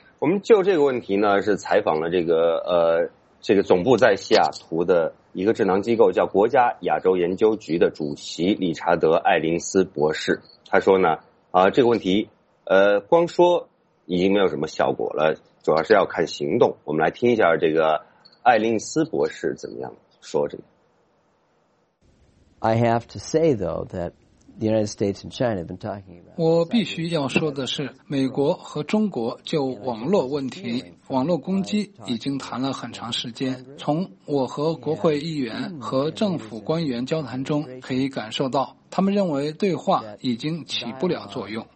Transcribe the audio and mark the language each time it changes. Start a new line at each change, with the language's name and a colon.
Chinese: 我们就这个问题呢是采访了这个总部在西雅图的一个智囊机构叫国家亚洲研究局的主席理查德·艾林斯博士。他说呢这个问题光说已经没有什么效果了，主要是要看行动。我们来听一下这个艾林斯博士怎么样说这个。
English: I have to say though that the United States and China have been talking about.
Chinese: 我必须要说的是，美国和中国就网络问题、网络攻击已经谈了很长时间。从我和国会议员和政府官员交谈中可以感受到，他们认为对话已经起不了作用。